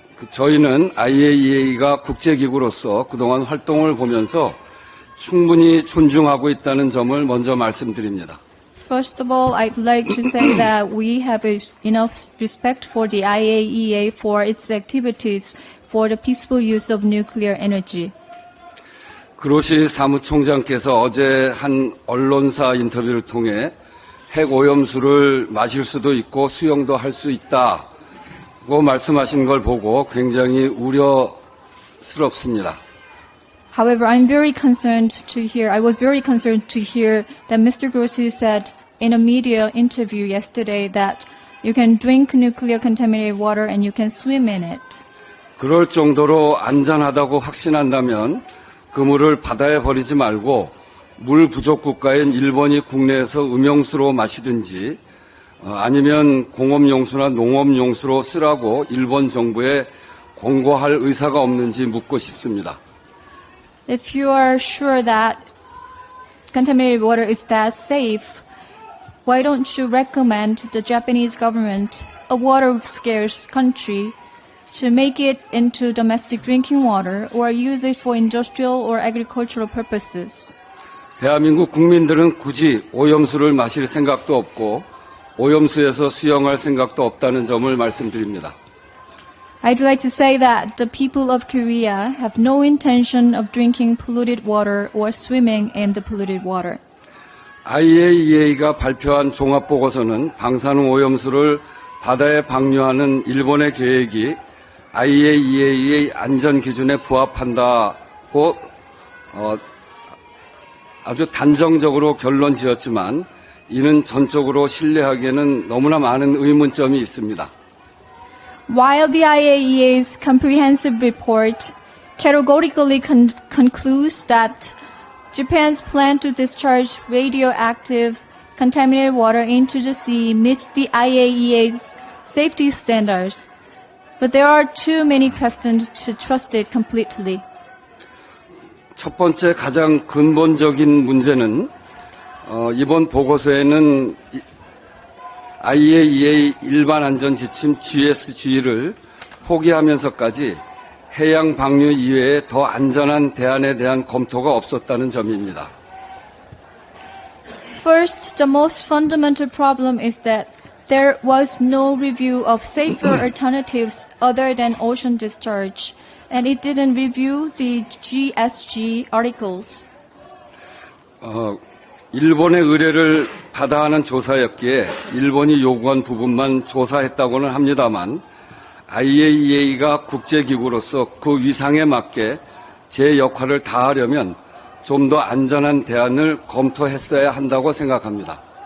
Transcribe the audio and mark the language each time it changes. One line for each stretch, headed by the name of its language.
Korean: 저희는 IAEA가 국제기구로서 그동안 활동을 보면서 충분히 존중하고 있다는 점을 먼저 말씀드립니다.
English: First of all, I'd like to say that we have enough respect for the IAEA for its activities for the peaceful use of nuclear energy.
Korean: 그로시 사무총장께서 어제 한 언론사 인터뷰를 통해 핵오염수를 마실 수도 있고 수영도 할 수 있다고 말씀하신 걸 보고 굉장히 우려스럽습니다.
English: However, I'm very concerned to hear. I was very concerned to hear that Mr. Grossi said in a media interview yesterday that you can drink nuclear contaminated water and you can swim in it.
Korean: 그럴 정도로 안전하다고 확신한다면 그 물을 바다에 버리지 말고 물 부족 국가인 일본이 국내에서 음용수로 마시든지 아니면 공업용수나 농업용수로 쓰라고 일본 정부에 권고할 의사가 없는지 묻고 싶습니다.
English: If you are sure that contaminated water is that safe, why don't you recommend the Japanese government, a water-scarce country, to make it into domestic drinking water or use it for industrial or agricultural purposes.
Korean: 대한민국 국민들은 굳이 오염수를 마실 생각도 없고 오염수에서 수영할 생각도 없다는 점을 말씀드립니다.
English: I'd like to say that the people of Korea have no intention of drinking polluted water or swimming in the polluted water.
Korean: IAEA가 발표한 종합 보고서는 방사능 오염수를 바다에 방류하는 일본의 계획이 IAEA의 안전 기준에 부합한다고 아주 단정적으로 결론 지었지만 이는 전적으로 신뢰하기에는 너무나 많은 의문점이 있습니다.
English: While the IAEA's comprehensive report categorically concludes that Japan's plan to discharge radioactive contaminated water into the sea meets the IAEA's safety standards, but there are too many questions to trust it completely.
Korean: 첫 번째 가장 근본적인 문제는 이번 보고서에는 IAEA 일반 안전 지침 GSG를 포기하면서까지 해양 방류 이외에 더 안전한 대안에 대한 검토가 없었다는 점입니다.
English: First, the most fundamental problem is that there was no review of safer alternatives other than ocean discharge, and it didn't review the GSG articles.
Korean: 일본의 의뢰를 받아 하는 조사였기에 일본이 요구한 부분만 조사했다고는 합니다만 IAEA가 국제기구로서 그 위상에 맞게 제 역할을 다하려면 좀 더 안전한 대안을 검토했어야 한다고 생각합니다.